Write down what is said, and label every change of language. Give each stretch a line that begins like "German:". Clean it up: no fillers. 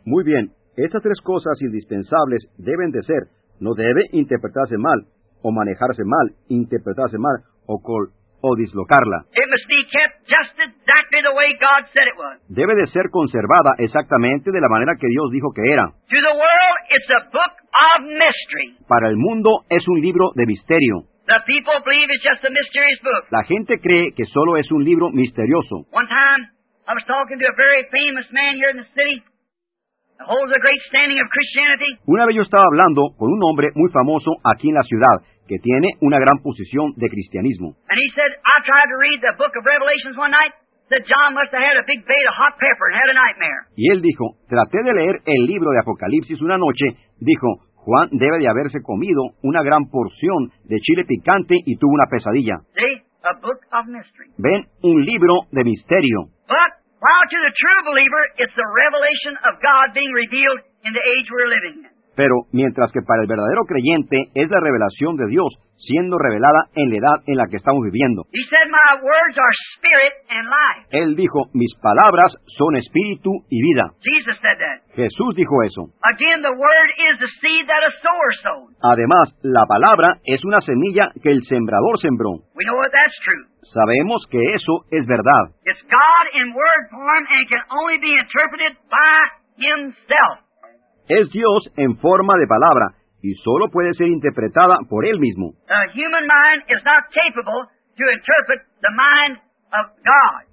Spanish: Muy bien, estas tres cosas indispensables deben de ser, no debe interpretarse mal o manejarse mal, interpretarse mal o dislocarla.
English: It must be kept just exactly the way God said it was.
Spanish: Debe de ser conservada exactamente de la manera que Dios dijo que era.
English: To the world, it's a book of mystery.
Spanish: Para el mundo es un libro de misterio.
English: The people believe it's just a mysterious book.
Spanish: La gente cree que solo es un libro misterioso.
English: One time, I was talking to a very famous man here in the city. It holds a great standing of Christianity.
Spanish: Una vez yo estaba hablando con un hombre muy famoso aquí en la ciudad que tiene una gran posición de cristianismo.
English: And he said, I tried to read the book of Revelations one night. Said John must have had a big bait of hot pepper and had a nightmare.
Spanish: Y él dijo, traté de leer el libro de Apocalipsis una noche. Dijo, Juan debe de haberse comido una gran porción de chile picante y tuvo una pesadilla.
English: See? A book of mystery.
Spanish: Ven, un libro de misterio.
English: But while to the true believer, it's the revelation of God being revealed in the age we're living in.
Spanish: Pero mientras que para el verdadero creyente es la revelación de Dios siendo revelada en la edad en la que estamos viviendo.
English: He said, my words are spirit and life.
Spanish: Él dijo, mis palabras son espíritu y vida.
English: Jesus said that.
Spanish: Jesús dijo eso.
English: Again, the word is the seed that a sower sowed.
Spanish: Además, la palabra es una semilla que el sembrador sembró.
English: We know that that's true.
Spanish: Sabemos que eso es verdad.
English: It's God in word form and can only be interpreted by Himself.
Spanish: Es Dios en forma de palabra y solo puede ser interpretada por Él mismo.
English: The human mind is not capable to interpret the mind of God.